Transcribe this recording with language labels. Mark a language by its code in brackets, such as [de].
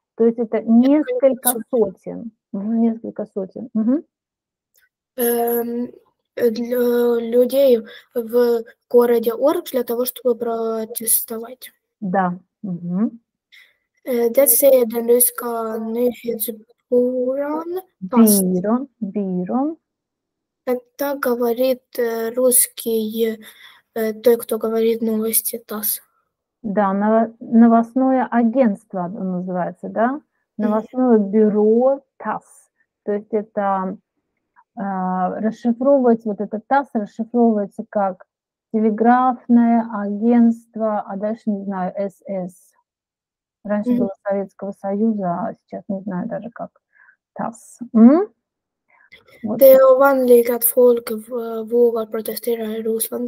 [ru] То есть это несколько сотен. Несколько сотен. Для людей в городе Орг для того, чтобы протестовать. Да. [sv] Детсе den ryska nyhetsbyrån. Byrån. [ru] Это говорит русский, той, кто говорит новости, ТАСС. Да, новостное агентство называется, да? Новостное бюро ТАСС. То есть это расшифровывается, вот это ТАСС расшифровывается как телеграфное агентство, а дальше, не знаю, СС. Раньше было Советского Союза, а сейчас не знаю даже как ТАСС. [sv] Det är vanligt att folk vågar protestera i Ryssland.